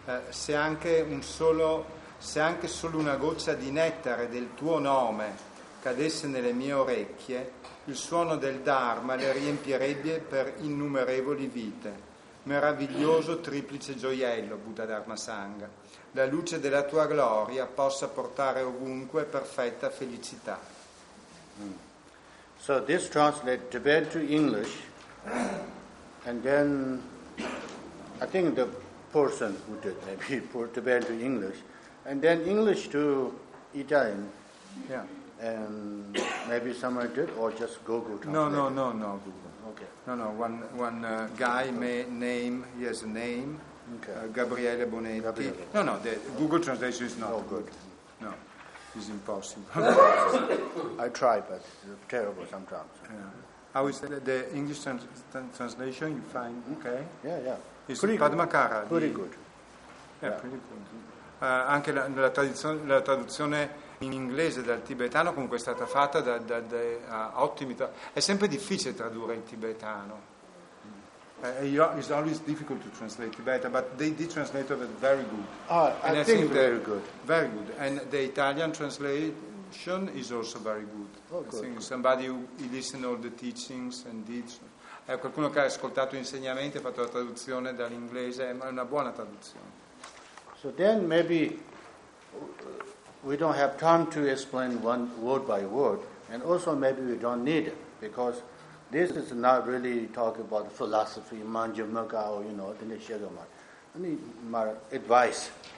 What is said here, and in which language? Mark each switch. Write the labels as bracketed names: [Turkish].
[Italian] Se anche solo una goccia di nettare del tuo nome cadesse nelle mie orecchie, il suono del Dharma le riempirebbe per innumerevoli vite. Meraviglioso triplice gioiello, Buddha Dharma Sangha. La luce della tua gloria possa portare ovunque perfetta felicità. [English] So this translate Tibet to English, and then I think the person who did maybe put Tibet to English, and then English to Italian. Yeah. And maybe someone did, or just Google translate. No, Google. Okay. One guy has a name. Okay. Gabriele Bonetti. Gabriele. No, the Google translation is not good. No, it's impossible. I try, but it's terrible sometimes. Yeah. How is the English translation you find? Okay. Yeah. It's pretty Padmakara. Good. Pretty good. Yeah, pretty good. [Italian] Anche la traduzione in inglese dal tibetano comunque è stata fatta da ottimi. È sempre difficile tradurre in tibetano. [English] It's always difficult to translate Tibetan, but they did translate it very good. I think very good. Very good. And the Italian translation is also very good. Oh, good. Somebody who listened all the teachings and did. [Italian] Qualcuno che ha ascoltato l'insegnamento e fatto la traduzione dall'inglese, ma è una buona traduzione. [English] So then maybe we don't have time to explain one word by word, and also maybe we don't need it, because this is not really talking about philosophy, manja, maga, or, you know, then share them. I need my advice.